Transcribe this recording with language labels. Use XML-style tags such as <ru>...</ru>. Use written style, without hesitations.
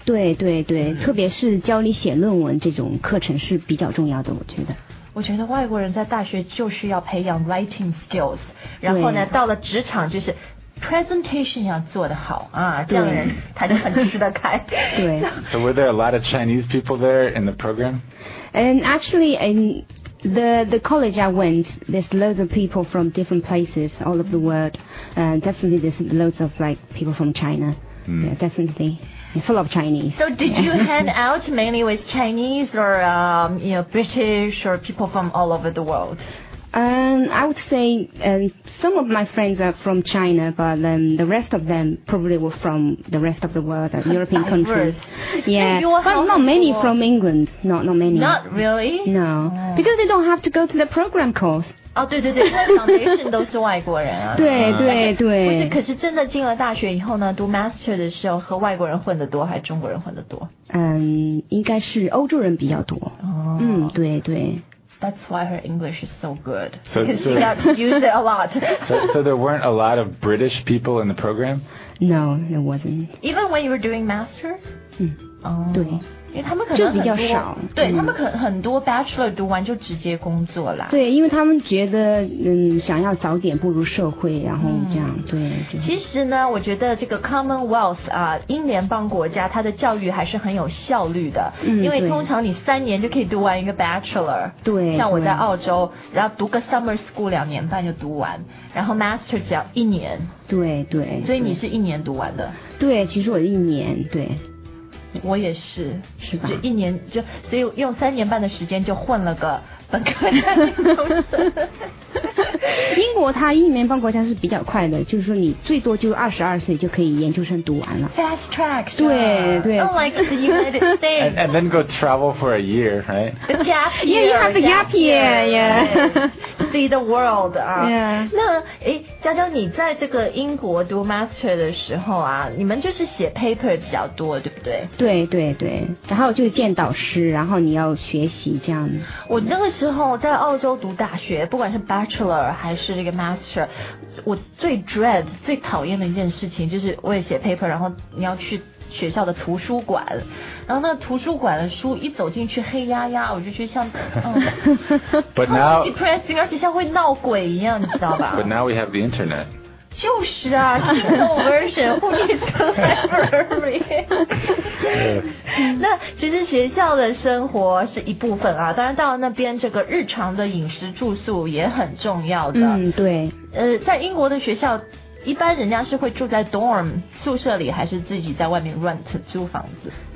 <zh>对对对，特别是教你写论文这种课程是比较重要的，我觉得。我觉得外国人在大学就是要培养</zh> <en>writing skills，</en> <zh>然后呢，到了职场就是presentation 要做得好啊，这样的人他就很吃得开。对。</zh> <en>So were there a lot of Chinese people there in the program? And actually in the college I went, there's loads of people from different places all over the world. Definitely there's loads of like people from China. Yeah, definitely. Yeah, full of Chinese. So did you hang out mainly with Chinese or you know, British or people from all over the world? I would say some of my friends are from China, but the rest of them probably were from the rest of the world, European countries. Yeah, but not many from England, not many. Not really? No, because they don't have to go to the program course.</en> <zh>哦，对对对，因为 foundation 都是外国人啊。对对对。不是，可是真的进了大学以后呢，读 master 的时候和外国人混得多还是中国人混得多？应该是欧洲人比较多。哦。对对。</zh> <en>That's why her English is so good. So, she got to use it a lot. So there weren't a lot of British people in the program? No, there wasn't. Even when you were doing master's?</en> <zh>对。因为他们可能就比较少，对，他们可很多 bachelor 读完就直接工作了。对，因为他们觉得想要早点步入社会，然后这样。对，其实呢，我觉得这个 Commonwealth 啊，英联邦国家，它的教育还是很有效率的。因为通常你3年就可以读完一个 bachelor。对，像我在澳洲，然后读个</zh> <en>summer school</en> <zh>2年半就读完，然后 master 只要1年。对对，所以你是1年读完的。对，其实我1年。对，我也是，是吧？就1年，就所以用3年半的时间就混了个本科在英国生。英国它英语联邦国家是比较快的，就是说你最多就22岁就可以研究生读完了。</zh> <en>Fast track.</en> <zh>对对。</zh> <en>Oh, like the United States. And then go travel for a year, right? The gap year. Yeah, you have the gap year. Yeah. See the world. Yeah.</en> <zh>那诶，娇娇，你在这个英国读 master 的时候啊，你们就是写 paper 比较多，对不对？对对对，然后就见导师，然后你要学习这样。我那个时候在澳洲读大学，不管是 bachelor 还是这个 master， 我最</zh> <en>dread</en> <zh>最讨厌的一件事情就是我也写 paper， 然后你要去学校的图书馆，然后那图书馆的书一走进去黑压压，我就觉得像</zh> <en>But now depressing，</en> <zh>而且像会闹鬼一样，你知道吧？</zh> <en>But now we have the internet。</en> <zh>就是啊 ，</zh> <en>Kindle version，</en> <zh>或者 library。那其实学校的生活是一部分啊，当然到那边这个日常的饮食住宿也很重要的。嗯，对。在英国的学校，一般人家是会住在 dorm 宿舍里，还是自己在外面 rent 租房子？</zh>